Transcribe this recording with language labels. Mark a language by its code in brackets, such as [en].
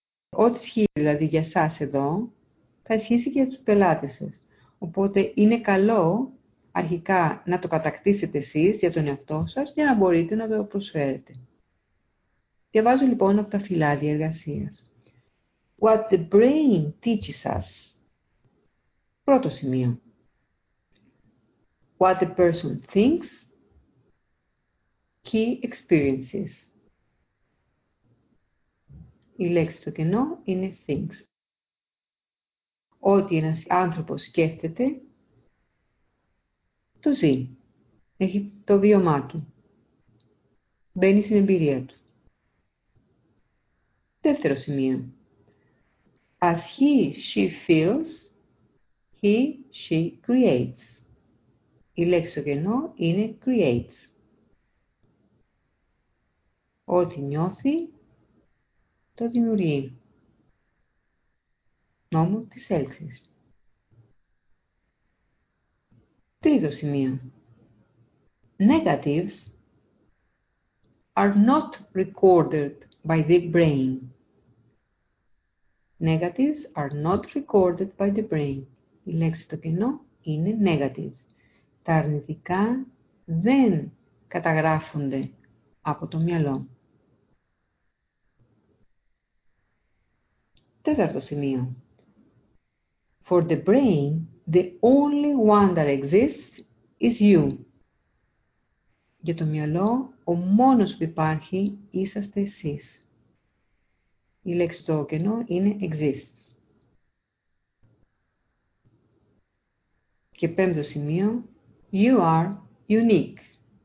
[el] Ό,τι ισχύει δηλαδή για εσάς εδώ, θα ισχύσει και για τους πελάτες σας. Οπότε είναι καλό αρχικά να το κατακτήσετε εσείς για τον εαυτό σας για να μπορείτε να το προσφέρετε. Διαβάζω λοιπόν από τα φυλάδια εργασίας. [en] What the brain teaches us. [el] Πρώτο σημείο. [en] What the person thinks. Key experiences. [el] Η λέξη το κενό είναι things. Ό,τι ένας άνθρωπος σκέφτεται, το ζει. Έχει το βίωμά του. Μπαίνει στην εμπειρία του. Δεύτερο σημείο. [en] As he, she feels, he, she creates. [el] Η λέξη το κενό είναι creates. Ό,τι νιώθει, το δημιουργεί. Νόμο της έλξης. Τρίτο σημείο. [en] Negatives are not recorded by the brain. Negatives are not recorded by the brain. [el] Η λέξη το κενό είναι negatives. Τα αρνητικά δεν καταγράφονται από το μυαλό. Τέταρτο σημείο. [en] For the brain, the only one that exists is you. [el] Για το μυαλό, ο μόνος που υπάρχει είσαστε εσείς. Η λέξη το κενό είναι exists. Και πέμπτο σημείο, [en] you are unique.